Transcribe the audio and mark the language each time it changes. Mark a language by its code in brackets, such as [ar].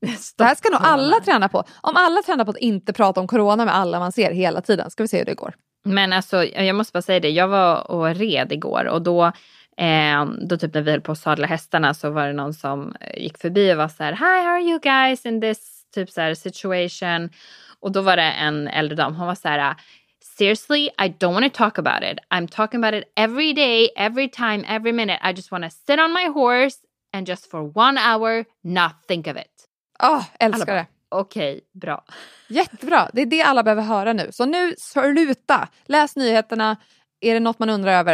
[sv] Stopp det här ska corona. Nog alla träna på. Om alla tränar på att inte prata om corona med alla man ser hela tiden. Ska vi se hur det går. Men alltså, jag måste bara säga det. Jag var och red igår. Och då typ när vi höll på att sadla hästarna så var det någon som gick förbi och var så här: [en] "Hi, how are you guys in this [sv] typ så här [en] situation?" [sv] Och då var det en äldre dam. Hon var så här: [en] "Seriously, I don't want to talk about it. I'm talking about it every day, every time, every minute. I just want to sit on my horse and just for 1 hour not think of it." [sv] Åh, älskar bara, det. Okej, bra. Jättebra. Det är det alla behöver höra nu. Så nu sluta. Läs nyheterna. Är det något man undrar över?